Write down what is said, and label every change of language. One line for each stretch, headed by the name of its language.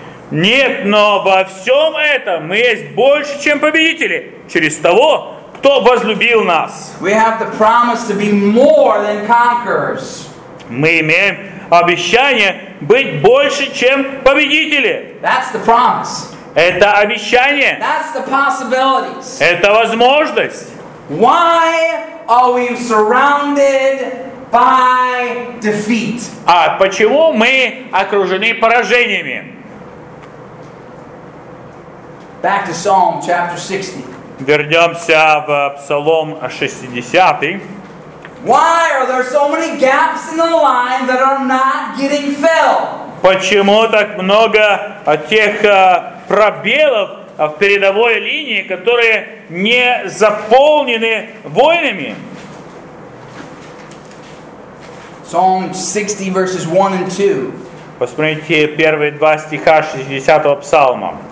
Russian: Нет, но во всем этом мы есть больше, чем победители, через того, кто возлюбил нас.
English: We have the promise to be more than conquerors.
Russian: Мы имеем обещание быть больше, чем победители.
English: That's the promise.
Russian: Это обещание.
English: That's the possibilities.
Russian: Это возможность.
English: Why are we surrounded by defeat?
Russian: А почему мы окружены поражениями?
English: Back to Psalm chapter 60.
Russian: Вернемся в Псалом 60.
English: Why are there so many gaps in the line that are not getting filled?
Russian: Почему так много тех пробелов в передовой линии, которые не заполнены войнами?
English: Psalm 60 verses 1 and 2.
Russian: Посмотрите первые два стиха 60-го псалма.